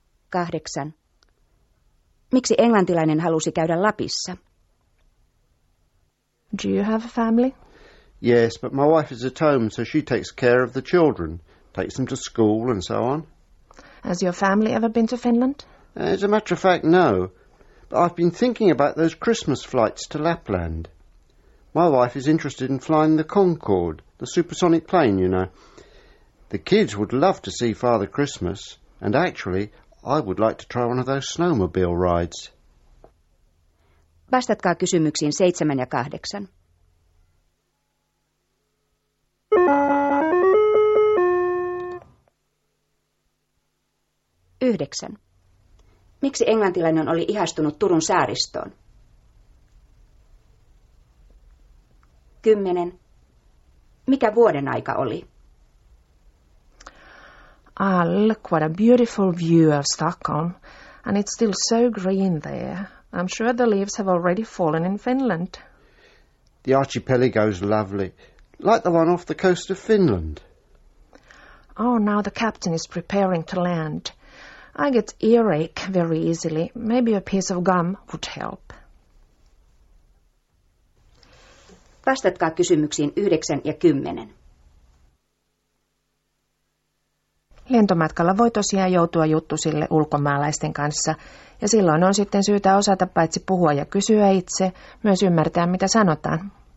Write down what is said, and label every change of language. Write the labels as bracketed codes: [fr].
[fi] 8. Miksi englantilainen halusi käydä Lapissa? [en] Do you have a family? Yes, but my wife is at home, so she takes care of the children, takes them to school and so on. Has your family ever been to Finland? As a matter of fact, no. But I've been thinking about those Christmas flights to Lapland. My wife is interested in flying the Concorde, the supersonic plane, you know. The kids would love to see Father Christmas, and actually, I would like to try one of those snowmobile rides. [fi] Vastatkaa kysymyksiin 7 ja 8. Yhdeksän. Miksi englantilainen oli ihastunut Turun saaristoon? 10. Mikä vuoden aika oli? [en] Look, what a beautiful view of Stockholm. And it's still so green there. I'm sure the leaves have already fallen in Finland. The archipelago's lovely. Like the one off the coast of Finland. Oh, now the captain is preparing to land. I get earache very easily. Maybe a piece of gum would help. [fi] Vastatkaa kysymyksiin 9 ja 10. Lentomatkalla voi tosiaan joutua juttusille ulkomaalaisten kanssa, ja silloin on sitten syytä osata paitsi puhua ja kysyä itse, myös ymmärtää, mitä sanotaan.